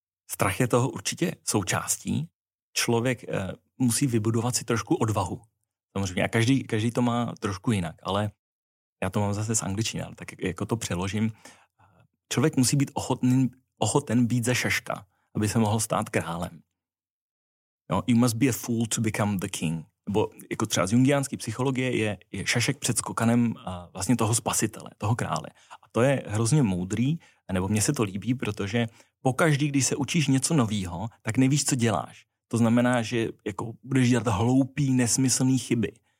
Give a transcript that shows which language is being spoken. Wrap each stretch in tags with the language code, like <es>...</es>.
<cs>Strach je toho určitě součástí. Člověk musí vybudovat si trošku odvahu. Samozřejmě. A každý to má trošku jinak, ale já to mám zase z angličtiny, ale tak jako to přeložím. Člověk musí být ochoten být ze šaška, aby se mohl stát králem.</cs> <en>No, you must be a fool to become the king.</en> <cs>Nebo jako třeba z jungiánské psychologie je šašek před skokanem vlastně toho spasitele, toho krále. A to je hrozně moudrý, nebo mně se to líbí, protože pokaždý, když se učíš něco novýho, tak nevíš, co děláš. To znamená, že jako budeš dělat hloupý, nesmyslný chyby.</cs>